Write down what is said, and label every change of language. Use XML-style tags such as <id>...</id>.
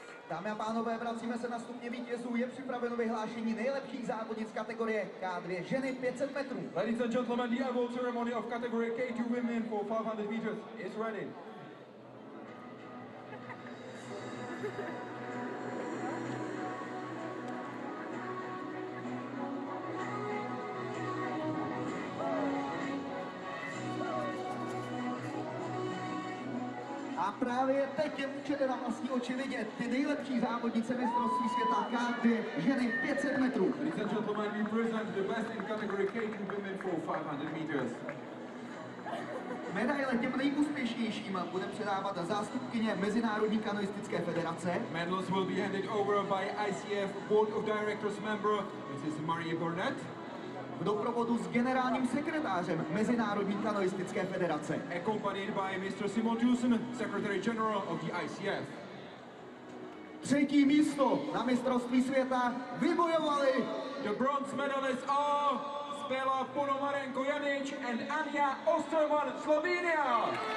<cs>Dámy a pánové, vracíme se na stupně vítězů. Je připraveno vyhlášení nejlepších závodnic kategorie K2 ženy 500 metrů.</cs> <en>Ladies and gentlemen, the award ceremony of category K2 women for 500 meters is ready.</en> <cs>A právě teď je můžete na vlastní oči vidět ty nejlepší závodnice mistrovství světa K2 ženy 500 metrů.</cs> <en>Ladies and gentlemen, we present the best in category K2 women for 500 meters.</en> <cs>Medaile těm nejúspěšnějším bude předávat zástupkyně Mezinárodní kanoistické federace.</cs> <en>Medals will be handed over by ICF Board of Directors member, Mrs. Marie Burnett.</en> <cs>V doprovodu s generálním sekretářem Mezinárodní kanoistické federace.</cs> <en>Accompanied by Mr. Simon Dusen, Secretary General of the ICF.</en> <cs>Třetí místo na mistrovství světa vybojovali</cs> <en>the bronze medalists are Bela Ponomarenko Janic and Anja Osterman, Slovenia.</en>